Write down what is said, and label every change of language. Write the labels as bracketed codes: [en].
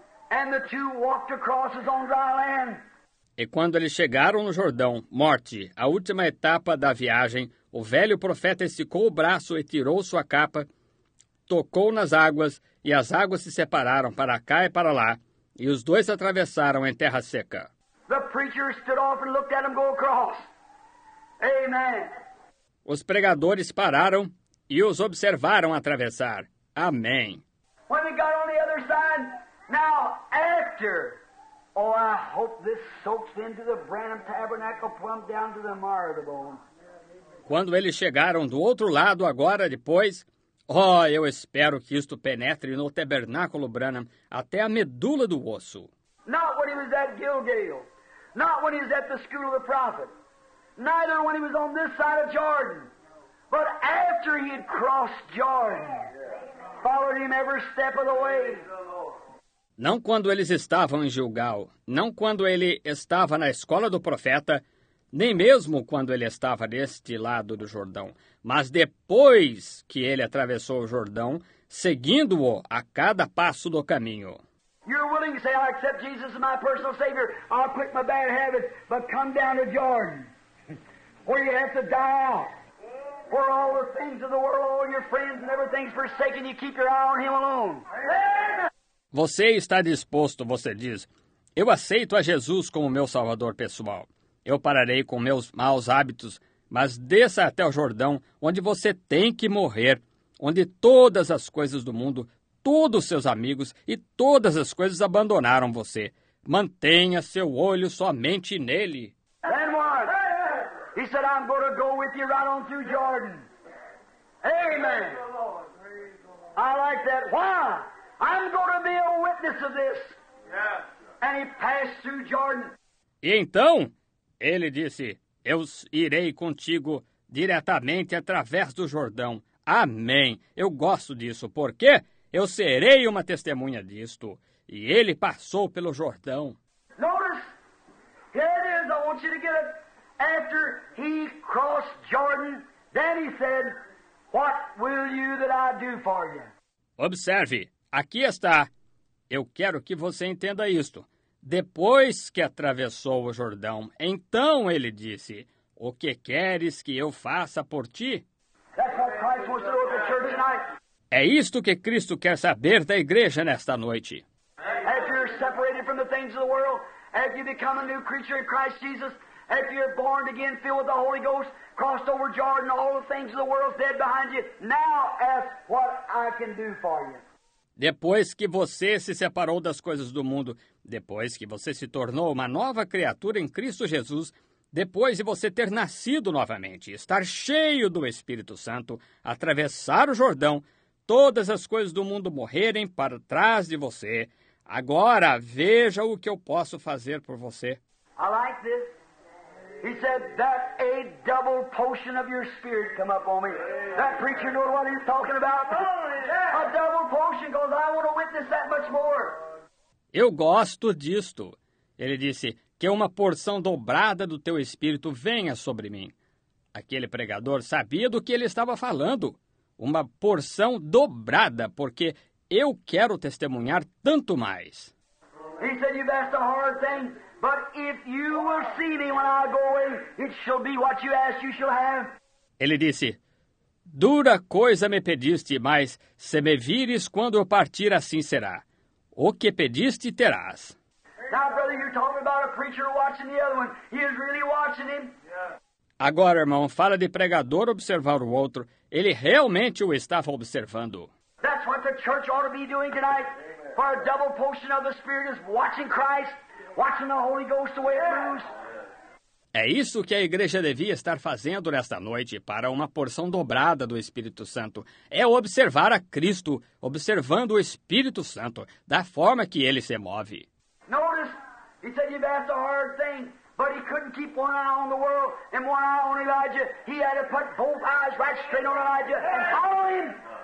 [en] And the two walked across on dry land. [pt] E quando eles chegaram no Jordão, morte, a última etapa da viagem, o velho profeta esticou o braço e tirou sua capa, tocou nas águas, e as águas se separaram para cá e para lá, e os dois atravessaram em terra seca. [en] The preacher stood off and looked at them go across. Amen. [pt] Os pregadores pararam e os observaram atravessar. Amém. [en] When they got on the other side, now, after, oh, I hope this soaks into the Branham Tabernacle plumb down to the marrow of the bone. [pt] Quando eles chegaram do outro lado, agora, depois, oh, eu espero que isto penetre no Tabernáculo Branham até a medula do osso. [en] Not when he was at Gilgal. Not when he was at the school of the prophet. Neither when he was on this side of Jordan. But after he had crossed Jordan, followed him every step of the way. [pt] Não quando eles estavam em Gilgal, não quando ele estava na escola do profeta, nem mesmo quando ele estava deste lado do Jordão, mas depois que ele atravessou o Jordão, seguindo-o a cada passo do caminho. [en] You're willing to say, I accept Jesus as my personal Savior. I'll quit my bad habits, but come down to Jordan where you have to die out. Where all the things of the world, all your friends and everything's forsaken, you keep your eye on Him alone. [pt] Você está disposto, você diz, eu aceito a Jesus como meu Salvador pessoal. Eu pararei com meus maus hábitos, mas desça até o Jordão, onde você tem que morrer, onde todas as coisas do mundo, todos os seus amigos e todas as coisas abandonaram você. Mantenha seu olho somente nele. [en] Then what? He said, I'm going to go with you right on through Jordan. Amen. I like that. Why? I'm going to be a witness of this. And he passed through Jordan. [pt] E então, ele disse, eu irei contigo diretamente através do Jordão. Amém. Eu gosto disso. Por quê? Eu serei uma testemunha disto. E ele passou pelo Jordão. [en] Notice, here it is, I want you to get it. After he crossed Jordan, then he said, what will you that I do for you? [pt] Observe, aqui está. Eu quero que você entenda isto. Depois que atravessou o Jordão, então ele disse, o que queres que eu faça por ti? [en] That's what Christ wants to do with the church tonight. [pt] É isto que Cristo quer saber da igreja nesta noite. [en] After you're separated from the things of the world, after you become a new creature in Christ Jesus, after you're born again, filled with the Holy Ghost, crossed over Jordan, all the things of the world are dead behind you, now ask what I can do for you. [pt] Depois que você se separou das coisas do mundo, depois que você se tornou uma nova criatura em Cristo Jesus, depois de você ter nascido novamente, estar cheio do Espírito Santo, atravessar o Jordão, todas as coisas do mundo morrerem para trás de você, agora veja o que eu posso fazer por você. [en] I like this. He said, that a double portion of your spirit come up on me. That preacher knows what he's talking about. A double portion, because I want to witness that much more. [pt] Eu gosto disto. Ele disse, que uma porção dobrada do teu espírito venha sobre mim. Aquele pregador sabia do que ele estava falando. Uma porção dobrada, porque eu quero testemunhar tanto mais. [en] He said, you've asked a hard thing. But if you will see me when I go away, it shall be what you ask, you shall have. [pt] Ele disse, dura coisa me pediste, mas se me vires quando eu partir, assim será. O que pediste, terás. [en] Now, brother, you're talking about a preacher watching the other one. He is really watching him. [pt] Agora, irmão, fala de pregador observar o outro. Ele realmente o estava observando. [en] That's what the church ought to be doing tonight. For a double portion of the Spirit is watching Christ. Watching the Holy Ghost away [pt] é isso que a igreja devia estar fazendo nesta noite para uma porção dobrada do Espírito Santo. É observar a Cristo, observando o Espírito Santo, da forma que Ele se move. [en] Notice, he said you've asked a hard thing, but he couldn't keep one eye on the world and one eye on Elijah. He had to put both eyes right straight on Elijah and follow him.